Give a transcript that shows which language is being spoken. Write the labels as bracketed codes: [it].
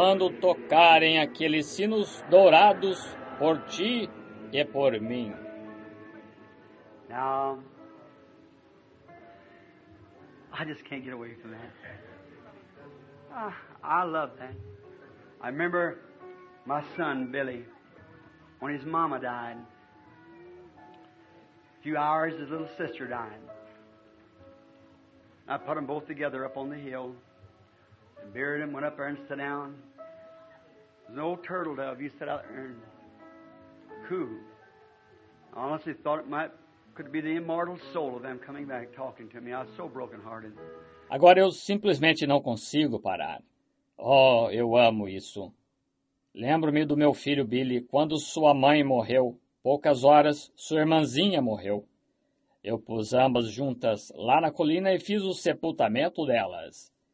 [pt] quando tocarem aqueles sinos dourados por ti e por mim. [en] Now, I just can't get away from that. I love that. I remember my son, Billy, when his mama died. A few hours, his little sister died. I put them both together up on the hill and buried them, went up there and sat down. There's an old turtle dove. You sat out there and cooed. I honestly thought it might could be the immortal soul of them coming back talking to me. I was so brokenhearted. [pt] Agora eu simplesmente não consigo parar. Oh, eu amo isso. Lembro-me do meu filho Billy quando sua mãe morreu. Poucas horas, sua irmãzinha morreu. Eu pus ambas juntas lá na colina e fiz o sepultamento delas.